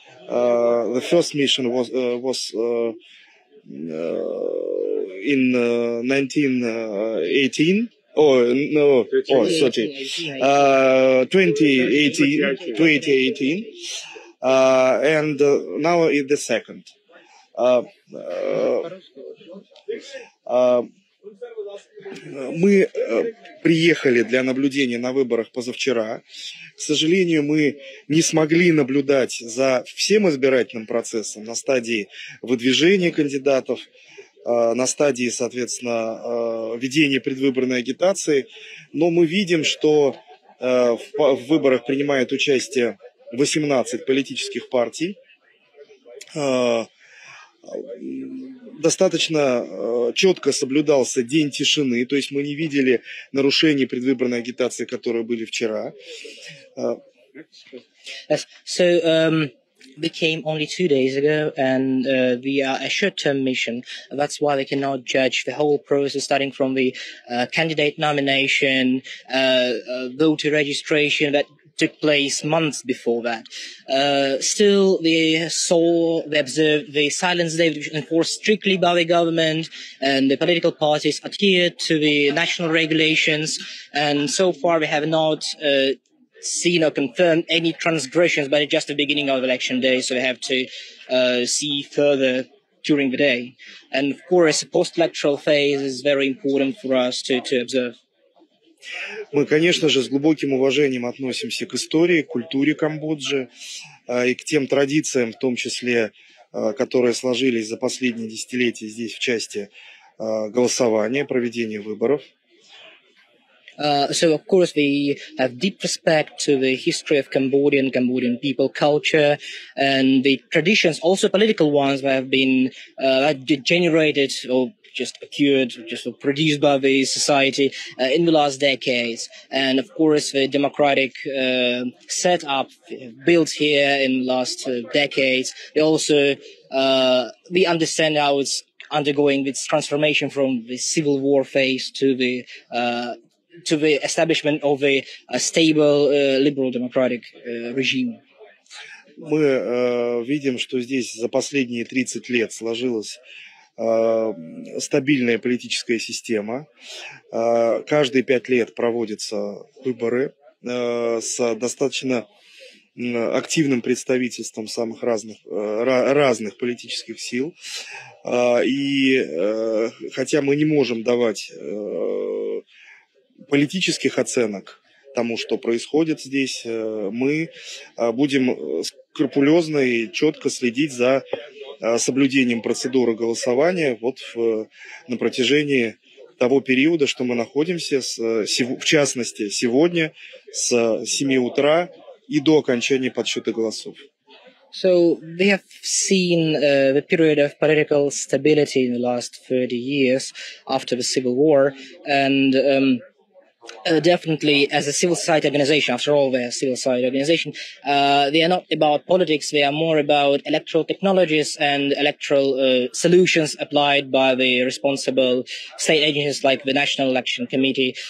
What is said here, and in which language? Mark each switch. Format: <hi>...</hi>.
<en>The first mission was in 2018, and now it's the second.</en> <ru>Мы приехали для наблюдения на выборах позавчера. К сожалению, мы не смогли наблюдать за всем избирательным процессом на стадии выдвижения кандидатов, на стадии, соответственно, ведения предвыборной агитации. Но мы видим, что в выборах принимают участие 18 политических партий. Достаточно четко соблюдался день тишины, то есть мы не видели нарушений предвыборной агитации, которые были вчера.</ru> <en>Yes. So they came only 2 days ago, and they are a short-term mission. That's why they cannot judge the whole process, starting from the candidate nomination, voter registration, that took place months before that. Still, they observed the silence day, which was enforced strictly by the government, and the political parties adhered to the national regulations. And so far, we have not seen or confirmed any transgressions, but it's just the beginning of election day, so we have to see further during the day. And of course, post-electoral phase is very important for us to observe.</en> <ru>Мы, конечно же, с глубоким уважением относимся к истории, к культуре Камбоджи и к тем традициям, в том числе, которые сложились за последние десятилетия здесь в части голосования, проведения выборов.</ru> <en>So, of course, we have deep respect to the history of Cambodia, Cambodian people, culture, and the traditions, also political ones, that have been generated or just occurred, just produced by the society in the last decades. And, of course, the democratic setup built here in the last decades, they also we understand how it's undergoing its transformation from the civil war phase to the establishment of a stable liberal democratic regime.</en> <ru>Мы видим, что здесь за последние 30 лет сложилась стабильная политическая система. Каждые 5 лет проводятся выборы с достаточно активным представительством самых разных разных политических сил. И хотя мы не можем давать политических оценок тому, что происходит здесь, мы будем скрупулезно и четко следить за соблюдением процедуры голосования вот на протяжении того периода, что мы находимся, в частности, сегодня с 7 утра и до окончания подсчета голосов.</ru> <en>So we have seen the period of political stability in the last 30 years after the civil war, and Definitely, as a civil society organization, after all, they're a civil society organization. They are not about politics. They are more about electoral technologies and electoral solutions applied by the responsible state agencies like the National Election Committee.</en>